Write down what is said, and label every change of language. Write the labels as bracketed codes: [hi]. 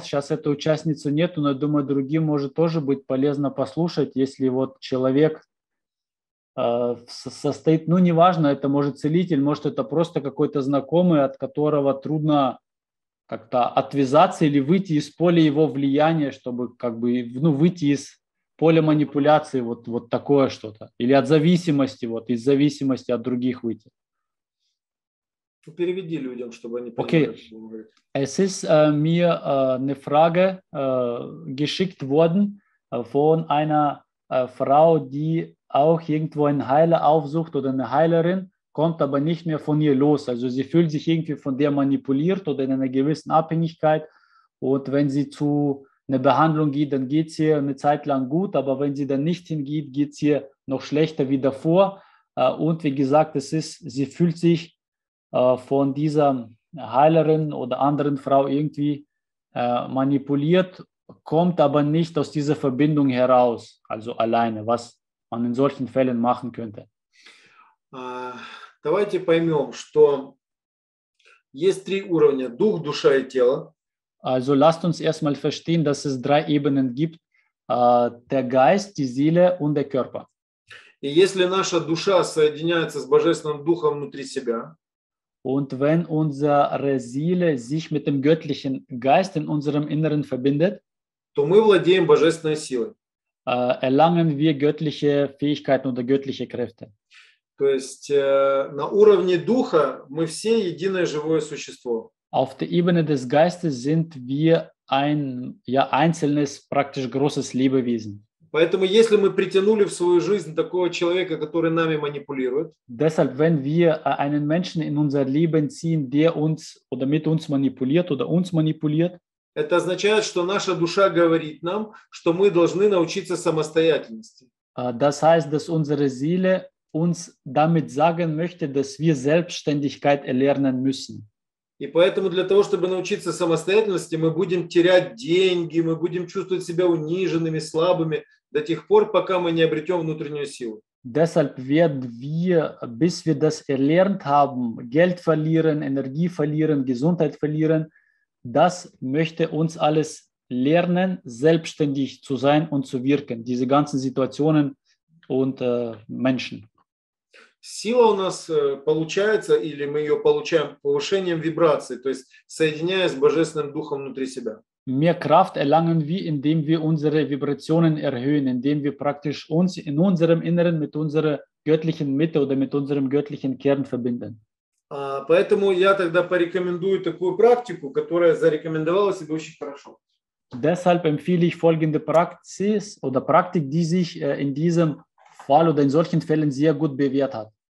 [ru] Сейчас этой участницы нету, но я думаю, другим может тоже быть полезно послушать, если вот человек состоит, ну, неважно, это может целитель, может, это просто какой-то знакомый, от которого трудно как-то отвязаться или выйти из поля его влияния, чтобы как бы, ну, выйти из... поле манипуляции, вот такое что-то. Или от зависимости, вот из зависимости от других выйти. Переведи людям, чтобы они понимали. Okay. [de] Es ist mir eine Frage geschickt worden von einer Frau, die auch irgendwo einen Heiler aufsucht oder eine Heilerin, kommt aber nicht mehr von ihr los. Also sie fühlt sich irgendwie von der manipuliert oder in einer gewissen Abhängigkeit. Und wenn sie zu eine Behandlung geht, dann geht es ihr eine Zeit lang gut, aber wenn sie dann nicht hingeht, geht es ihr noch schlechter wie davor. Und wie gesagt, sie fühlt sich von dieser Heilerin oder anderen Frau irgendwie manipuliert, kommt aber nicht aus dieser Verbindung heraus, also alleine, was man in solchen Fällen machen könnte. [ru] Давайте поймем, что есть три уровня: Дух, Душа и Тело. [de] Also lasst uns erstmal verstehen, dass es drei Ebenen gibt: der Geist, die Seele und der Körper. [ru] И если наша душа соединяется с Божественным Духом внутри себя, [de] und wenn unsere Seele sich mit dem göttlichen Geist in unserem Inneren verbindet, [ru] то мы владеем Божественной силой. [de] Erlangen wir göttliche Fähigkeiten oder göttliche Kräfte. [ru] То есть на уровне Духа мы все единое живое существо. [de] Auf der Ebene des Geistes sind wir ein ja einzelnes praktisch großes Lebewesen. [ru] Поэтому если мы притянули в свою жизнь такого человека, который нами манипулирует, [de] deshalb wenn wir einen Menschen in unser Leben ziehen, der uns oder mit uns manipuliert oder uns manipuliert, [ru] это означает, что наша душа говорит нам, что мы должны научиться самостоятельности. [de] Das heißt, dass unsere Seele uns damit sagen möchte, dass wir Selbstständigkeit erlernen müssen. [ru] И поэтому для того, чтобы научиться самостоятельности, мы будем терять деньги, мы будем чувствовать себя униженными, слабыми до тех пор, пока мы не обретем внутреннюю силу. [de] Deshalb werden wir, bis wir das erlernt haben, Geld verlieren, Energie verlieren, Gesundheit verlieren. Das möchte uns alles lernen, selbstständig zu sein und zu wirken. Diese ganzen Situationen und Menschen. [ru] Сила у нас получается, или мы ее получаем повышением вибрации, то есть соединяясь с Божественным Духом внутри себя. [de] Mehr Kraft erlangen wir, indem wir unsere Vibrationen erhöhen, indem wir praktisch uns in unserem Inneren mit unserer göttlichen Mitte oder mit unserem göttlichen Kern verbinden. [ru] Поэтому я тогда порекомендую такую практику, которая зарекомендовала себя очень хорошо. [de] Deshalb empfehle ich folgende Praxis oder Praktik, die sich in diesem Fall oder in solchen Fällen sehr gut bewährt hat.